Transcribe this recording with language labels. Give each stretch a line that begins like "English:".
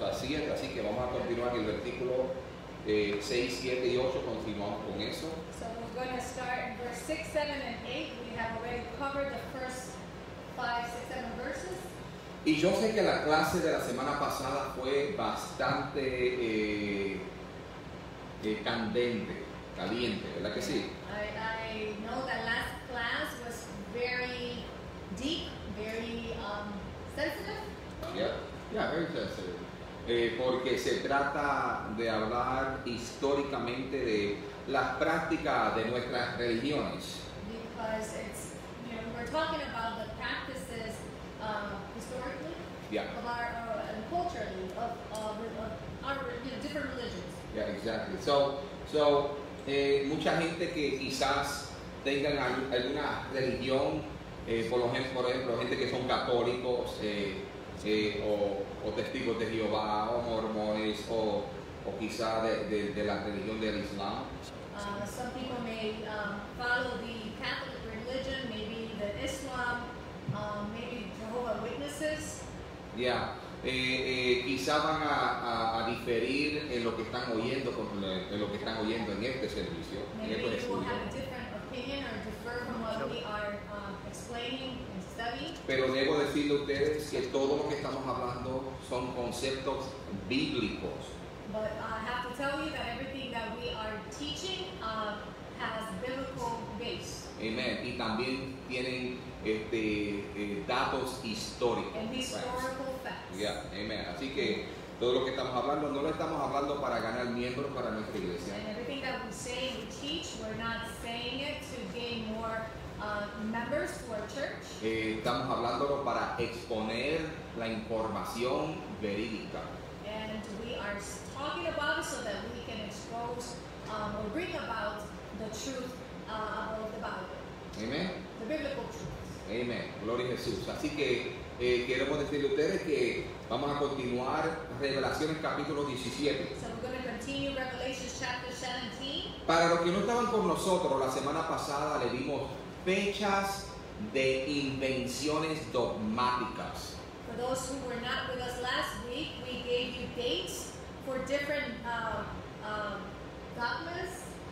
Spanish: Así que vamos a continuar el versículo 6, 7 y 8. Continuamos con eso.
English: So we're going to start in verse 6, 7, and 8. We have already covered the first 5, 6, 7 verses.
Spanish: Y yo sé que la clase de la semana pasada fue bastante candente, caliente, ¿verdad que sí?
English: I know that last class was very deep, very sensitive. Yeah, very sensitive.
Spanish: Porque se trata de hablar históricamente de las prácticas de nuestras religiones.
English: Because it's, you know, we're talking about the practices historically, yeah, of our and culturally of our, you know, different religions. Yeah, exactly.
Spanish: So, mucha gente que quizás tengan alguna religión, por ejemplo, gente que son católicos o testigos de Jehová o mormones o quizás de la religión del Islam.
English: Some people may follow the Catholic religion, maybe the Islam. Maybe Jehovah's Witnesses. Yeah.
Spanish: Quizá van a diferir en lo que están oyendo en lo que están oyendo en este servicio.
English: Maybe
Spanish: en este
English: you will have a different opinion or differ from what we are explaining and studying.
Spanish: Pero debo decirle a ustedes que todo lo que estamos hablando son conceptos bíblicos.
English: But I have to tell you that everything that we are teaching has biblical base.
Spanish: Amen. Y también tienen datos históricos.
English: And historical facts. Yeah. Amen.
Spanish: Así que todo lo que estamos hablando no lo estamos hablando para ganar miembros para nuestra iglesia.
English: And everything that we say and we teach, we're not saying it to gain more members to our church.
Spanish: Estamos hablándolo para exponer la información verídica.
English: And we are talking about it so that we can expose or bring about the truth about the Bible. Amen. The biblical truth.
Spanish: Amen. Gloria a Jesús. Así que queremos decirle a ustedes que vamos a continuar Revelaciones capítulo 17.
English: So we're going to continue Revelations chapter 17.
Spanish: Para los que no estaban con nosotros, la semana pasada le dimos fechas de invenciones dogmáticas.
English: For those who were not with us last week, we gave you dates for different dogmas.